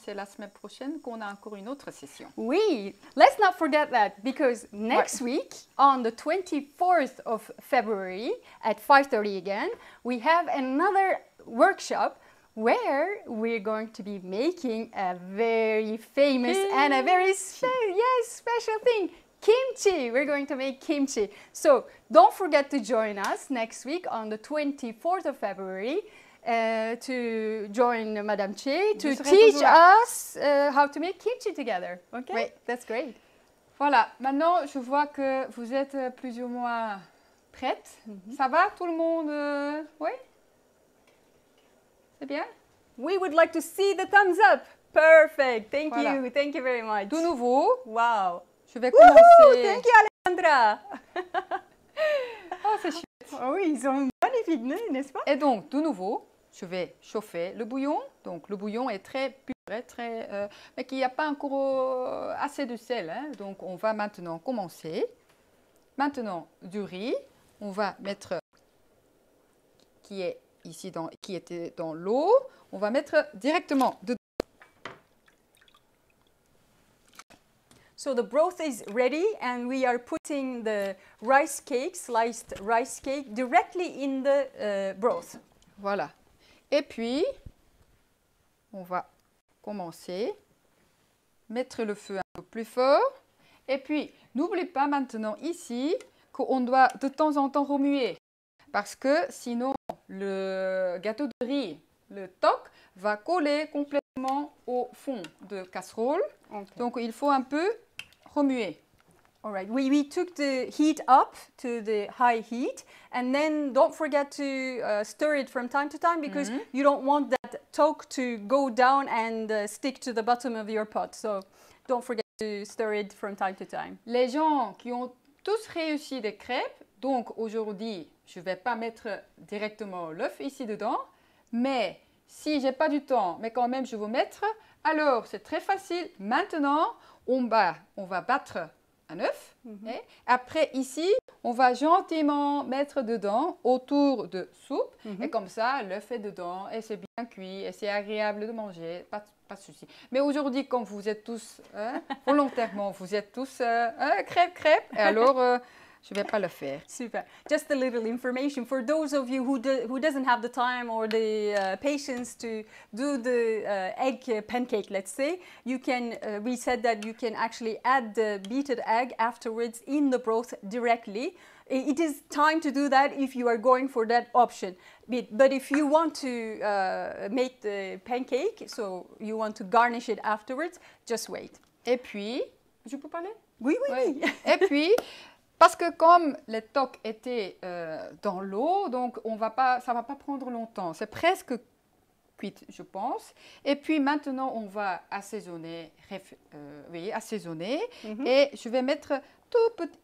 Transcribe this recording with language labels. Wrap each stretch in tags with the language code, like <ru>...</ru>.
<fr>C'est la semaine prochaine qu'on a encore une autre session.</fr> <en>Oui, let's not forget that, because next week, on the 24th of February, at 5:30 again, we have another workshop where we're going to be making a very famous and a very special thing. Kimchi! We're going to make kimchi. So don't forget to join us next week on the 24th of February to join Madame Che to teach us how to make kimchi together. Okay? Oui. That's great.</en> <fr>Voilà. Maintenant, je vois que vous êtes plus ou moins prêtes. Mm-hmm. Ça va, tout le monde? Oui? C'est bien?</fr> <en>We would like to see the thumbs up. Perfect. Thank you. Thank you very much.</en> <fr>De nouveau. Wow. Je vais commencer. Woohoo,</fr> <en>thank you, Alejandra.</en> <fr>Oh, c'est chouette. Oh, oui, ils ont un magnifique nez, n'est-ce pas? Et donc, de nouveau, je vais chauffer le bouillon. Donc, le bouillon est très puré, très. Mais qu'il n'y a pas encore assez de sel. Hein. Donc, on va maintenant commencer. Maintenant, du riz. On va mettre. Qui est ici, dans, qui était dans l'eau. On va mettre directement dedans.</fr> <en>So the broth is ready and we are putting the rice cake, sliced rice cake, directly in the broth.</en> <fr>Voilà. Et puis, on va commencer, mettre le feu un peu plus fort. Et puis, n'oublie pas maintenant ici qu'on doit de temps en temps remuer. Parce que sinon, le gâteau de riz, le toc, va coller complètement au fond de casserole. Okay. Donc, il faut un peu... Remuer.</fr> <en>All right. We took the heat up to the high heat, and then don't forget to stir it from time to time because you don't want that tok to go down and stick to the bottom of your pot. So don't forget to stir it from time to time.</en> <fr>Les gens qui ont tous réussi des crêpes, donc aujourd'hui, je vais pas mettre directement l'œuf ici dedans, mais si j'ai pas du temps, mais quand même je veux mettre, alors c'est très facile maintenant. On va battre un œuf. Mm-hmm. Après, ici, on va gentiment mettre dedans autour de soupe. Mm-hmm. Et comme ça, l'œuf est dedans et c'est bien cuit et c'est agréable de manger. Pas de souci. Mais aujourd'hui, comme vous êtes tous volontairement, vous êtes tous crêpes. Et alors, je ne vais pas le faire. Super.</fr> <en>Just a little information for those of you who doesn't have the time or the patience to do the egg pancake, let's say, you can. We said that you can actually add the beaten egg afterwards in the broth directly. It is time to do that if you are going for that option. But if you want to make the pancake, so you want to garnish it afterwards, just wait.</en> <fr>Et puis, je peux parler? Oui, oui. Oui. Et puis. Parce que comme les tocs étaient dans l'eau, donc ça ne va pas prendre longtemps. C'est presque cuit, je pense. Et puis maintenant, on va assaisonner. Et je vais mettre tout petit.</fr>